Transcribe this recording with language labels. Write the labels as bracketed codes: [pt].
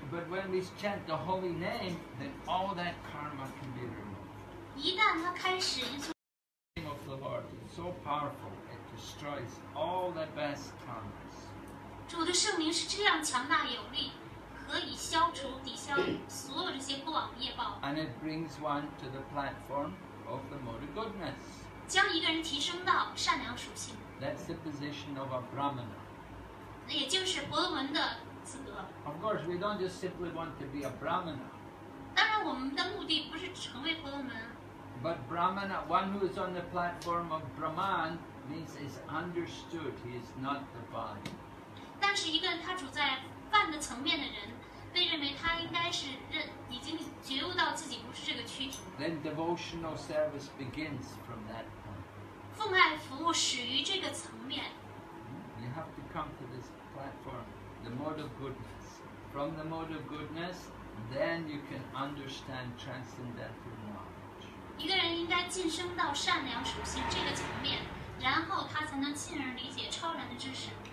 [en] But when we chant the holy name, then all that karma can be removed. [zh] 一旦他开始 [en] The name of the Lord is so powerful, it destroys all the best karmas. [zh] 主的圣名是这样强大有力，可以消除抵消所有这些过往业报。 [en] And it brings one to the platform of the mode of goodness. [zh] 将一个人提升到善良属性。 [en] That's the position of a Brahmana. [zh] 那也就是婆罗门的资格。 [en] Of course, we don't just simply want to be a Brahmana. [zh] 当然，我们的目的不是成为婆罗门。 [en] But Brahmana, one who is on the platform of Brahman, means is understood. He is not the body. [zh] 但是，一个他处在泛的层面的人，被认为他应该是认已经觉悟到自己不是这个躯体。 [en] Then devotional service begins from that point. [zh] 奉爱服务始于这个层面。 [en] You have to come to this platform, the mode of goodness. From the mode of goodness, then you can understand transcendental knowledge. [zh] 一个人应该晋升到善良属性这个层面，然后他才能进而理解超然的知识。